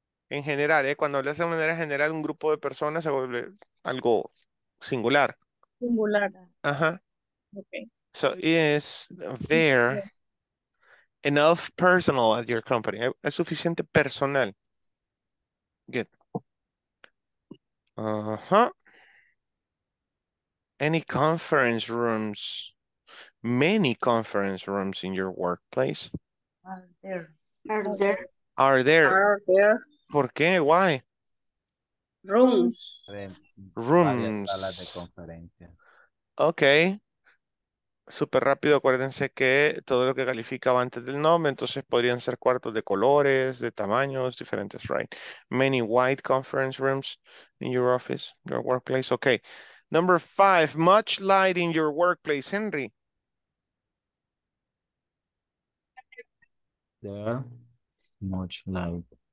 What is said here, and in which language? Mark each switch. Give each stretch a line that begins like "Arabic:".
Spanish: En general, cuando hablas de manera general, un grupo de personas se vuelve algo singular. Singular. Ajá.
English: Okay. So, is there enough personal at your company?
Spanish: ¿Es suficiente personal?
English: Good.
Spanish: Uh-huh.
English: Any conference rooms? Many conference rooms in your workplace? Are there.
Spanish: ¿Por qué?
English: Why? Rooms.
Spanish: Salas de conferencia.
English: Okay.
Spanish: Súper rápido, acuérdense que todo lo que calificaba antes del nombre, entonces podrían ser cuartos de colores, de tamaños, diferentes,
English: right? Many white conference rooms in your office, your workplace. Okay. Number five, much light in your workplace, Henry. There, much light.